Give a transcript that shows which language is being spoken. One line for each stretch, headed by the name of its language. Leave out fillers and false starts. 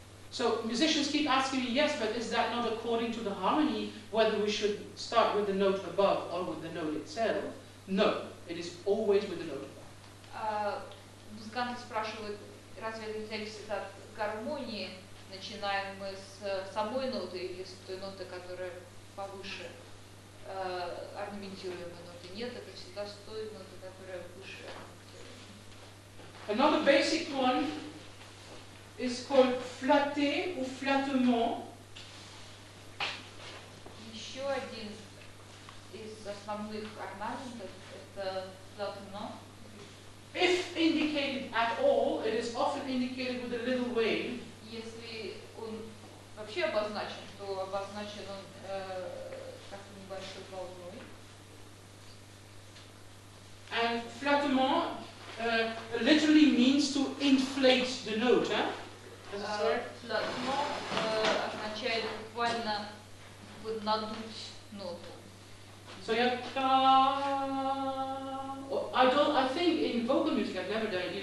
English: So musicians keep asking me, yes, but is that not according to the harmony, whether we should start with the note above or with the note itself? No, it is always with the note above.
Russian: Музыканты спрашивают, разве это зависит от гармонии, начинаем мы с самой ноты или с той ноты, которая повыше орнаментируемой ноты? Нет, это всегда с той ноты, которая выше.
English: Another basic one is called flatté ou flattement.
Russian: Еще один из основных орнаментов это flattement.
English: If indicated at all, it is often indicated with a little wave.
Russian: Если он вообще обозначен, то обозначен он как небольшой волной.
English: And flattement literally means to inflate the note, huh?
Russian: Flattement означает буквально надуть ноту.
English: So you have I think in vocal music I've never done it.